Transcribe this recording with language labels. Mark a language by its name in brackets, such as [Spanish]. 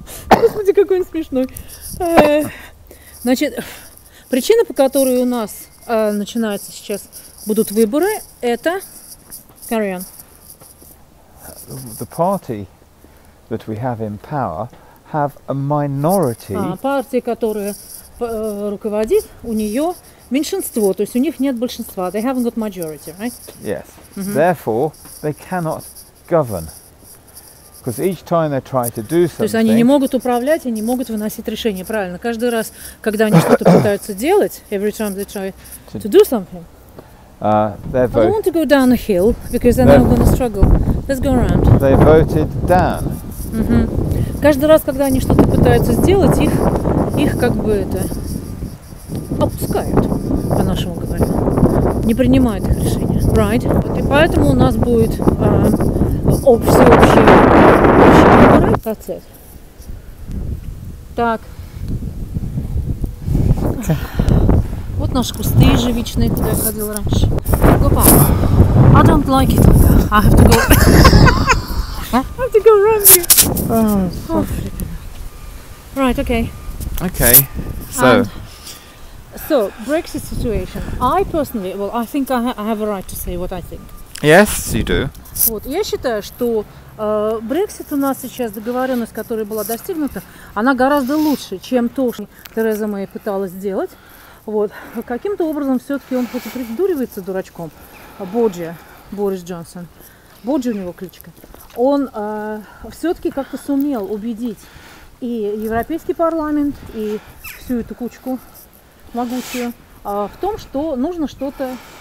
[Russian] Господи, какой он смешной. Значит, причина, по которой у нас начинается сейчас будут выборы, это [English] carry on. The party that we have in power have a minority. [Russian] Партия, которая руководит, у нее меньшинство, то есть у них нет большинства. [English] They haven't got majority, right? Yes. Mm-hmm. Therefore, they cannot govern. Because each time they try to do something. [Russian] То есть они не могут управлять и не могут выносить решения, правильно? Каждый раз, когда они что-то пытаются делать, [English] every time they try to do something. They vote. I don't want to go down a hill because then I'm going to struggle. Let's go around. They voted down. Mm-hmm. [Russian] Каждый раз, когда они что-то пытаются сделать, их как бы это опускают, по-нашему говоря. Не принимают их решения. Right? И поэтому у нас будет всеобщие. Так. Вот наши кусты ежевичные, куда я ходила раньше. [English] Гопа. I don't like it. I have to go. I have to go around you. Oh, right, okay. Okay. So. So, Brexit situation. I personally, well, I think I have a right to say what I think. Yes, you do. [Russian] Вот, я считаю, что Brexit у нас сейчас, договоренность, которая была достигнута, она гораздо лучше, чем то, что Тереза Мэй пыталась сделать. Вот, каким-то образом все-таки он хоть и придуривается дурачком, Боджи, Борис Джонсон, Боджи у него кличка, он все-таки как-то сумел убедить и Европейский парламент, и всю эту кучку могучую в том, что нужно что-то.